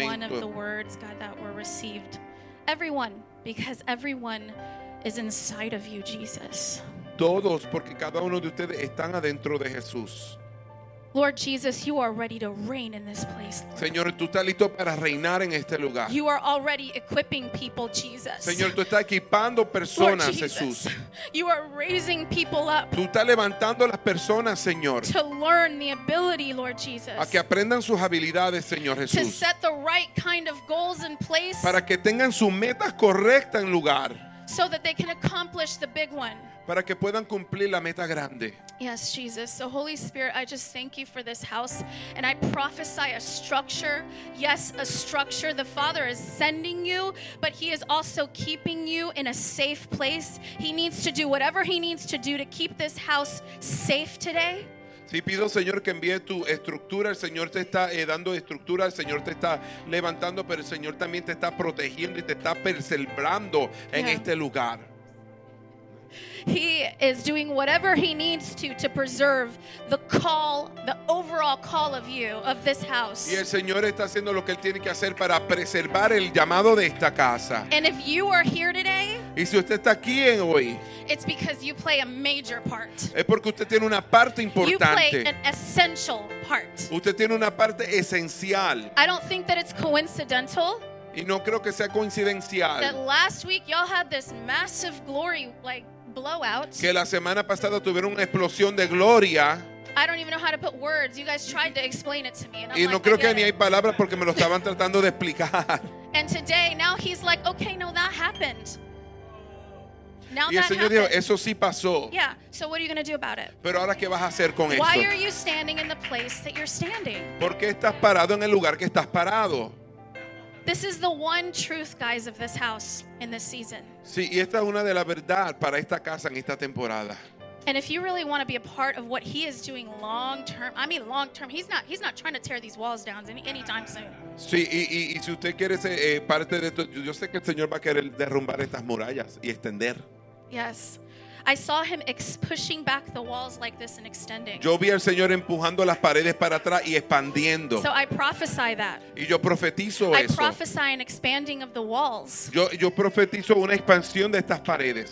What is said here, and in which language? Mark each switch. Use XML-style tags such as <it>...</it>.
<en>Every one of the words, God, that were received. Everyone, because everyone is inside of you, Jesus.</en> <es>Todos, porque cada uno de ustedes están adentro de Jesús.</es> <en>Lord Jesus, you are ready to reign in this place, Lord.</en> <es>Señor, tú estás listo para reinar en este lugar.</es> <en>You are already equipping people, Jesus.</en> <es>Señor, tú estás equipando personas,</es> <en>Lord Jesus,</en> <es>Jesús.</es> <en>You are raising people up.</en> <es>Tú estás levantando las personas, Señor.</es> <en>To learn the ability, Lord Jesus.</en> <es>A que aprendan sus habilidades, Señor Jesús.</es> <en>To set the right kind of goals in place.</en> <es>Para que tengan sus metas correctas en lugar.</es> <en>So that they can accomplish the big one.</en> <es>Para que puedan cumplir la meta grande.</es> <en>Yes, Jesus. So Holy Spirit, I just thank you for this house, and I prophesy a structure. Yes, a structure. The Father is sending you, but he is also keeping you in a safe place. He needs to do whatever he needs to do to keep this house safe today.</en> <es>Sí, pido, Señor, que envíe tu estructura. El Señor te está dando estructura. El Señor te está levantando, pero el Señor también te está protegiendo y te está preservando en este lugar.</es> <en>He is doing whatever he needs to preserve the call, the overall call of you, of this house.</en> <es>Y el Señor está haciendo lo que él tiene que hacer para preservar el llamado de esta casa.</es> <en>And if you are here today,</en> <es>y si usted está aquí hoy,</es> <en>it's because you play a major part.</en> <es>Es porque usted tiene una parte importante.</es> <en>You play an essential part.</en> <es>Usted tiene una parte esencial.</es> <en>I don't think that it's coincidental.</en> <es>Y no creo que sea coincidencial.</es> <en>That last week y'all had this massive glory, like, blowout.</en> <es>Que la semana pasada tuvieron una explosión de gloria.</es> <en>I don't even know how to put words. You guys tried to explain it to me, and I'm</en> <es>y no</es> <en>like,</en> <es>creo que</es> <en>it.</en> <es>Ni hay palabras porque me lo estaban tratando de explicar.</es> <en>And today, now he's like, okay, no, that happened. Now</en> <es>y el Señor dijo, eso sí pasó.</es> <en>Yeah, so what are you going to do about it?</en> <es>Pero ahora, ¿qué vas a hacer con</es> <en>Why</en> <es>eso?</es> <en>Are you standing in the place that you're standing?</en> <es>¿Por qué estás parado en el lugar que estás parado?</es> <en>This is the one truth, guys, of this house in this season.</en> <es>Sí, y esta es una de la verdad para esta casa en esta temporada.</es> <en>And if you really want to be a part of what he is doing long term, I mean long term, he's not trying to tear these walls down anytime soon.</en> <es>Sí, y si usted quiere ser parte de esto, yo sé que el Señor va a querer derrumbar estas murallas y extender.</es> <en>Yes. I saw him pushing back the walls like this and extending.</en> <es>Yo vi al Señor empujando las paredes para atrás y expandiendo.</es> <en>So I prophesy that.</en> <es>Y yo profetizo eso.</es> <en>I prophesy an expanding of the walls.</en> <es>Yo profetizo una expansión de estas paredes.</es>